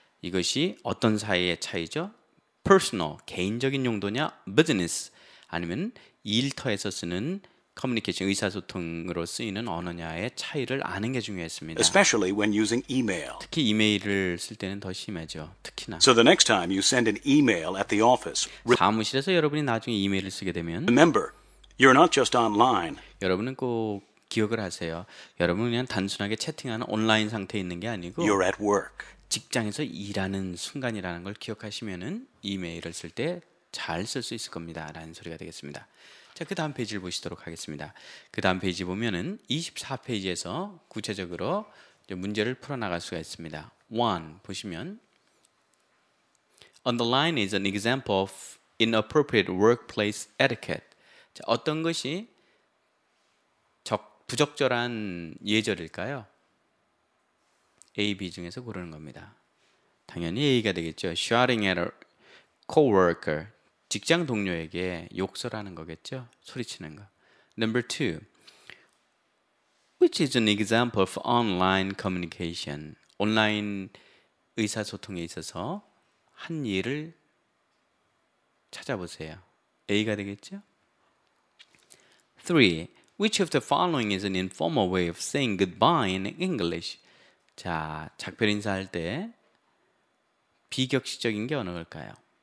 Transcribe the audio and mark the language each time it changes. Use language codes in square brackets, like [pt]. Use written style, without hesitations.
[ko] 이것이 어떤 사이의 차이죠? personal, 개인적인 용도냐, business, 아니면 일터에서 쓰는 커뮤니케이션, 의사소통으로 쓰이는 언어냐의 차이를 아는 게 중요했습니다. [en] Especially when using email. [ko] 특히 이메일을 쓸 때는 더 심해져, 특히나. [en] So the next time you send an email at the office, [ko] 사무실에서 여러분이 나중에 이메일을 쓰게 되면 [en] Remember, you're not just online. [ko] 여러분은 꼭 기억을 하세요. 여러분은 그냥 단순하게 채팅하는 온라인 상태에 있는 게 아니고 [en] You're at work. [ko] 직장에서 일하는 순간이라는 걸 기억하시면은 이메일을 쓸 때 잘 쓸 수 있을 겁니다. 라는 소리가 되겠습니다. 자, 그 다음 페이지를 보시도록 하겠습니다. 그 다음 페이지 보면은 24페이지에서 구체적으로 문제를 풀어나갈 수가 있습니다. [en] 1 보시면 On the line is an example of inappropriate workplace etiquette. [ko] 자, 어떤 것이 부적절한 예절일까요? A, B 중에서 고르는 겁니다. 당연히 A가 되겠죠. [en] Shouting at a co-worker, [ko] 직장 동료에게 욕설하는 거겠죠. 소리치는 거. [en] Number 2, which is an example of online communication. [ko] 온라인 의사소통에 있어서 한 예를 찾아보세요. A가 되겠죠. [en] 3, which of the following is an informal way of saying goodbye in English? [ko] 자, 작별 인사할 때 비격식적인 게 어느 걸까요?